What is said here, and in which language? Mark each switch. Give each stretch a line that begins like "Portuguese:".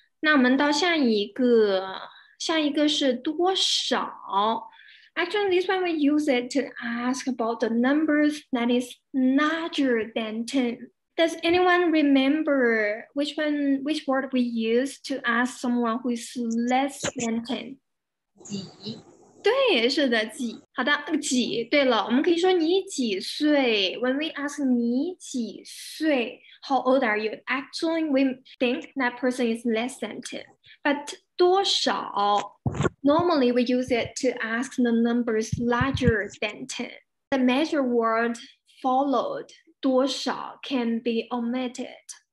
Chinese: 那我们到下一个，下一个是多少。
English: Actually, this one we use it to ask about the numbers that is larger than 10. Does anyone remember which word we use to ask someone who is less than 10?
Chinese: 几。对，是的，几。好的，几。对了，我们可以说你几岁。
English: When we ask
Chinese: 你几岁。
English: How old are you? Actually, we think that person is less than 10. But 多少, normally we use it to ask the numbers larger than 10. The measure word followed, 多少, can be omitted.